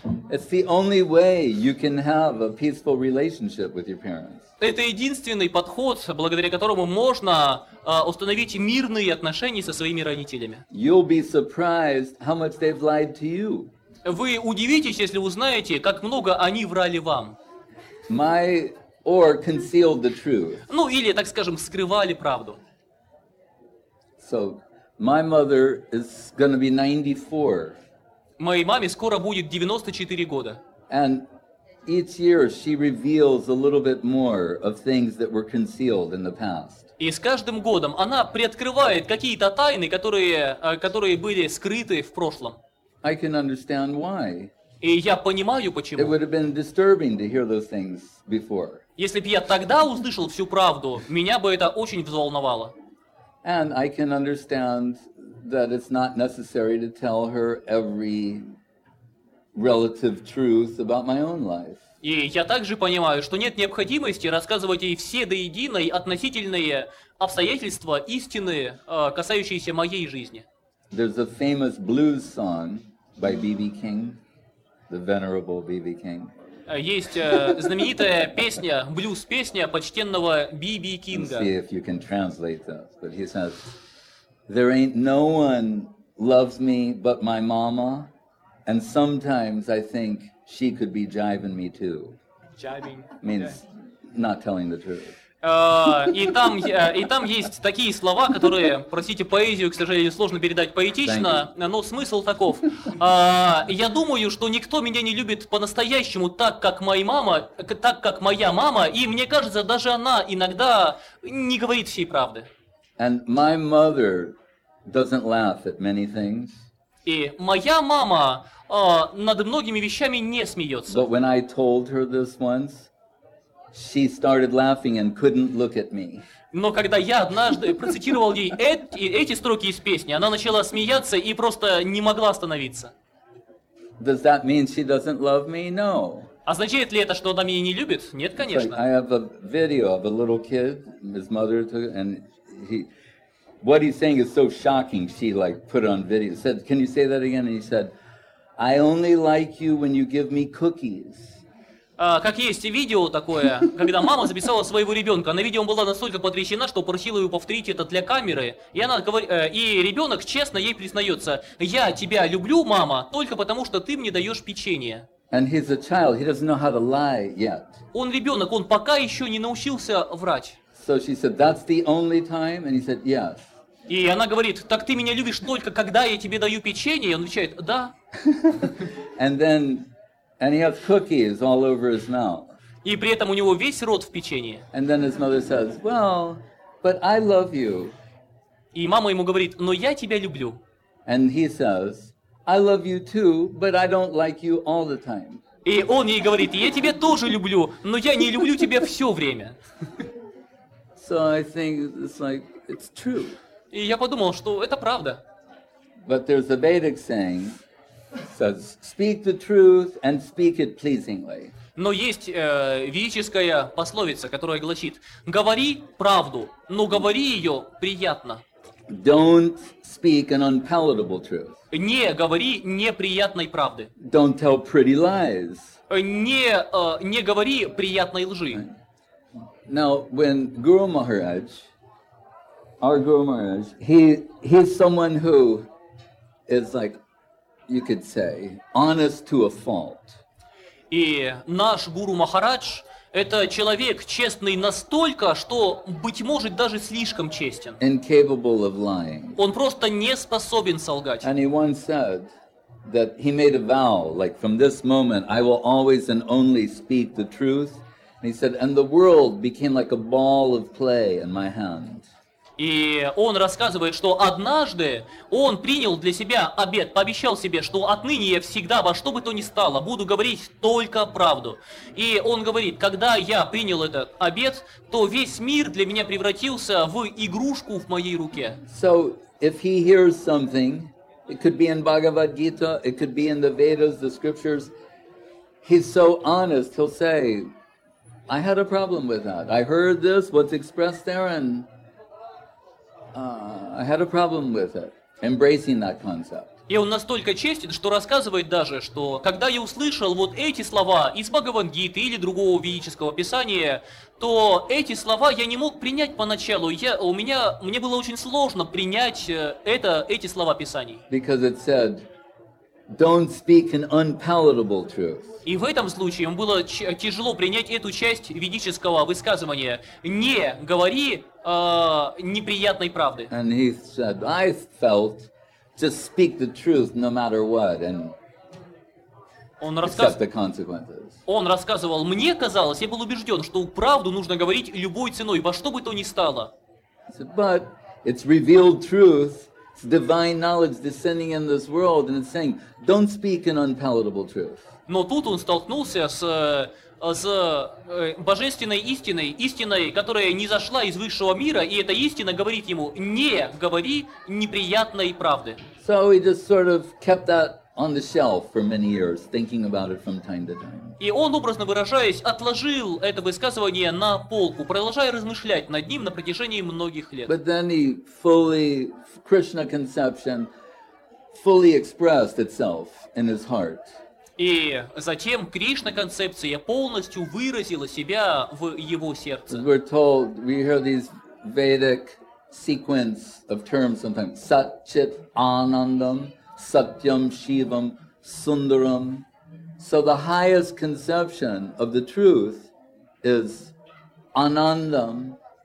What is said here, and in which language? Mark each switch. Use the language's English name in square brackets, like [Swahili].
[English] It's the only way you can have a peaceful relationship with your parents. [Russian] Это единственный подход, благодаря которому можно установить мирные отношения со своими родителями. [English] You'll be surprised how much they've lied to you. [Russian] Вы удивитесь, если узнаете, как много они врали вам. [English] My or concealed the truth. [Russian] Ну или, так скажем, скрывали правду. [English] So, my mother is going to be 94. [Russian] Моей маме скоро будет 94 года. [English] And each year she reveals a little bit more of things that were concealed in the past. [Russian] И с каждым годом она приоткрывает какие-то тайны, которые были скрыты в прошлом. [English] I can understand why. [Russian] И я понимаю почему. [English] It would have been disturbing to hear those things before. [Russian] Если бы я тогда услышал всю правду, меня бы это очень взволновало. [English] And I can understand that it's not necessary to tell her every relative truth about my own life. [Russian] И я также понимаю, что нет необходимости рассказывать ей все до единой относительные обстоятельства истины, касающиеся моей жизни. [English] There's a famous blues song by B.B. King, the venerable B.B. King. [Russian] Есть знаменитая песня, блюз-песня почтенного Б.Б. Кинга. [English] See if you can translate that, but he says, there ain't no one loves me but my mama, and sometimes I think she could be jiving me too. Jiving means not telling the truth. [Russian] И там есть такие слова, которые, простите, поэзию, к сожалению, сложно передать поэтично, но смысл таков. Я думаю, что никто меня не любит по-настоящему так, как моя мама, и мне кажется, даже она иногда не говорит всей правды. [English] And my mother doesn't laugh at many things. [Russian] И моя мама над многими вещами не смеется. [English] But when I told her this once, She started laughing and couldn't look at me. [Russian] Но когда я однажды процитировал ей эти строки из песни, она начала смеяться и просто не могла остановиться. [English] Does that mean she doesn't love me? No. [Russian] Означает ли это, что она меня не любит? Нет, конечно. [English] I have a video of a little kid, his mother took, and he, what he's saying is so shocking. She like put on video, said, "Can you say that again?" And he said, "I only like you when you give me cookies." [Russian] Как есть видео такое, когда мама записала своего ребенка. На видео была настолько потрясена, что просила ее повторить это для камеры. И она говорит, и ребенок честно ей признается: "Я тебя люблю, мама, только потому, что ты мне даешь печенье." [English] And he's a child. He doesn't know how to lie yet. [Russian] Он ребенок. Он пока еще не научился врать. [English] So she said, "That's the only time." And he said, "Yes." [Russian] И она говорит: "Так ты меня любишь только когда я тебе даю печенье?" И он отвечает: "Да." [English] And then, and he has cookies all over his mouth. [Russian] И при этом у него весь рот в печенье. [English] And then his mother says, "Well, but I love you." [Russian] И мама ему говорит: "Но я тебя люблю." [English] And he says, "I love you too, but I don't like you all the time." [Russian] И он ей говорит: "Я тебя тоже люблю, но я не люблю тебя все время." [English] So I think it's like it's true. [Russian] И я подумал, что это правда. [English] But there's a Vedic saying says, "Speak the truth and speak it pleasingly." [Russian] Но есть ведическая пословица, которая гласит: "Говори правду, но говори ее приятно." [English] Don't speak an unpalatable truth. [Russian] Не говори неприятной правды. [English] Don't tell pretty lies. [Russian] Не говори приятной лжи. [English] Now, when Guru Maharaj, our Guru Maharaj, he's someone who is like, you could say, honest to a fault. [Russian] И наш Гуру Махарадж — это человек честный настолько, что, быть может, даже слишком честен. [English] Incapable of lying. [Russian] Он просто не способен солгать. [English] And he once said that he made a vow, like, "From this moment I will always and only speak the truth." And he said, "And the world became like a ball of play in my hand." [Russian] И он рассказывает, что однажды он принял для себя обет, пообещал себе, что отныне я всегда, во что бы то ни стало, буду говорить только правду. И он говорит: когда я принял этот обет, то весь мир для меня превратился в игрушку в моей руке. [English] So, if he hears something, it could be in Bhagavad-gita, it could be in the Vedas, the scriptures, he's so honest, he'll say, "I had a problem with that. I heard this, what's expressed there, and... I had a problem with it, embracing that concept." [Russian] И он настолько честен, что рассказывает даже, что когда я услышал вот эти слова из Бхагавад-гиты или другого ведического писания, то эти слова я не мог принять поначалу. Мне было очень сложно принять эти слова писаний. [English] Because it said, "Don't speak an unpalatable truth." [Russian] И в этом случае ему было тяжело принять эту часть ведического высказывания: "Не говори неприятной правды." [English] And he said, "I felt, just speak the truth no matter what, and accept the consequences." [Russian] Он рассказывал: "Мне казалось, я был убежден, что правду нужно говорить любой ценой, во что бы то ни стало." [English] He said, "But it's revealed truth. It's divine knowledge descending in this world, and it's saying, don't speak an unpalatable truth." [Russian] Но тут он столкнулся с божественной истиной, истиной, которая не зашла из высшего мира, и эта истина говорит ему: не говори неприятной правды. [English] So he just sort of kept that on the shelf for many years, thinking about it from time to time. [Russian] И он, образно выражаясь, отложил это высказывание на полку, продолжая размышлять над ним на протяжении многих лет. [English] But then he fully, Krishna conception fully expressed itself in his heart. [Russian] И затем Кришна-концепция полностью выразила себя в его сердце. [English] We're told, we hear these Vedic sequence of terms sometimes: Sat, Chit, Anandam, Satyam, Shivam, Sundaram. So the highest conception of the truth is Anandam.